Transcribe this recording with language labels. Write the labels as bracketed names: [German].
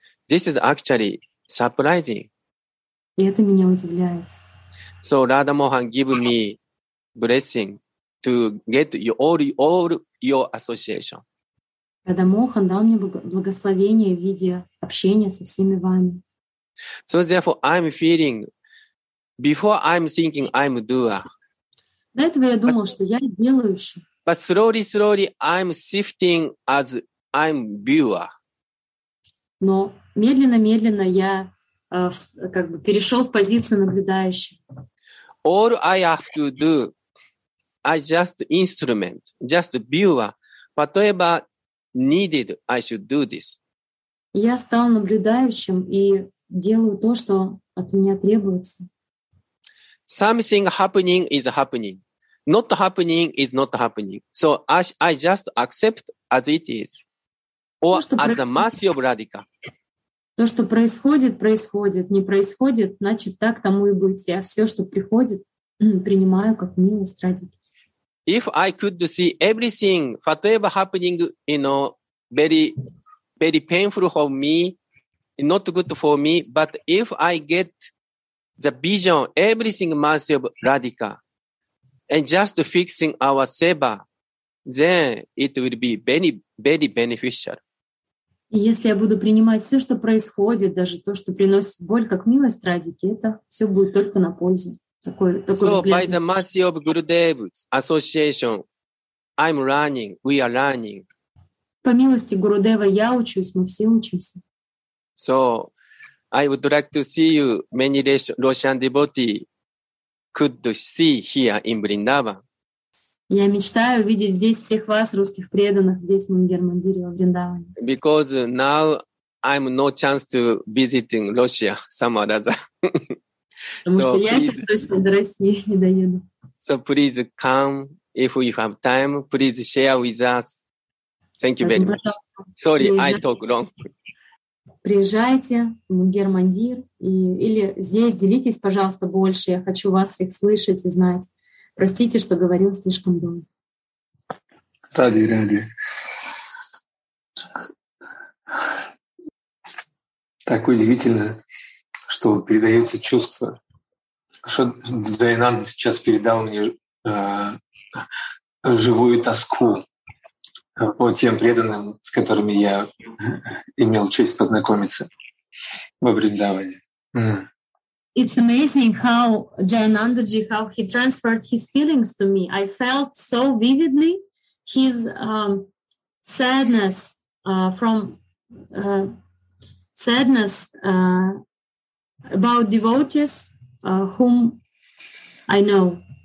[English] This is actually surprising. [Russian] И это меня удивляет. [English] So Radha Mohan give me blessing to get all your association. [Russian] Radha Mohan дал мне благословение в виде общения со всеми вами. [English] So therefore I'm feeling before I'm thinking I'm doer. [Russian] До этого я думал, что я делающий. [English] But slowly I'm shifting as I'm viewer. [Russian] Но медленно я как бы перешел в позицию наблюдающего. [English] All I have to do, I just instrument, just viewer. Whatever needed, I should do this. [Russian] Я стал наблюдающим и делаю то, что от меня требуется. [English] Something happening is happening. Not happening is not happening. So I just accept as it is. Or as a mercy of Radhika. [Russian] То, что происходит, происходит. Не происходит, значит, так тому и быть. Я все, что приходит, принимаю как милость Радхики. [English] If I could see everything, whatever happening, you know, very, very painful for me, not good for me, but if I get the vision, everything mercy of Radhika, and just fixing our seva, then it will be very, very beneficial. [Russian] Если я буду принимать все, что происходит, даже то, что приносит боль, как милость Радхики, это все будет только на пользу. Такой [English] so, [Russian] взгляд. [English] By the mercy of Gurudev's association, I'm learning, we are learning. [Russian] По милости Гурудева я учусь, мы все учимся. [English] So, I would like to see you, many Russian devotees could see here in Vrindavan. [Russian] Я мечтаю увидеть здесь всех вас, русских преданных, здесь в Мандир-Мандире, в Вриндаване. [English] Because now I'm no chance to visit Russia somewhere else. [Russian] Потому что я сейчас точно до России не доеду. [English] So please come, if you have time, please share with us. Thank you very much. Sorry, I talk long. [Russian] Приезжайте в Мандир-Мандир или здесь делитесь, пожалуйста, больше. Я хочу вас всех слышать и знать. Простите, что говорил слишком долго. Ради. Так удивительно, что передается чувство, что Джайананда сейчас передал мне живую тоску по тем преданным, с которыми я имел честь познакомиться во Вриндаване. [English] It's amazing how Jayanandaji, how he transferred his feelings to me. I felt so vividly his sadness about devotees whom I know.